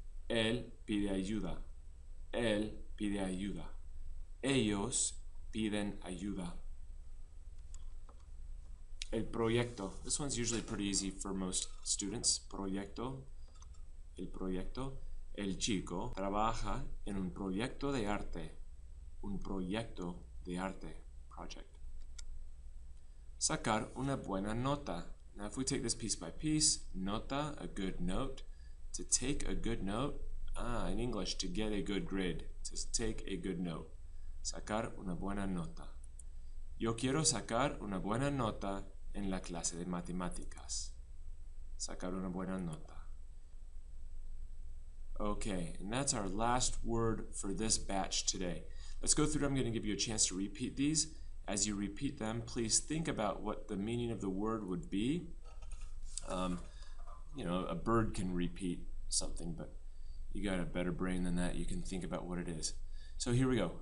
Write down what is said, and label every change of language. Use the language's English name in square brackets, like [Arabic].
[Spanish] Él pide ayuda. Él pide ayuda. Ellos piden ayuda. El proyecto. [English] This one's usually pretty easy for most students. [Spanish] Proyecto. El proyecto. El chico trabaja en un proyecto de arte. Un proyecto de arte. Project. Sacar una buena nota. [English] Now if we take this piece by piece, nota, a good note, to take a good note, in English, to get a good grade, to take a good note. [Spanish] Sacar una buena nota. Yo quiero sacar una buena nota en la clase de matemáticas. Sacar una buena nota. [English] Okay, and that's our last word for this batch today. Let's go through. I'm going to give you a chance to repeat these. As you repeat them, please think about what the meaning of the word would be. You know, a bird can repeat something, but you got a better brain than that, you can think about what it is. So here we go.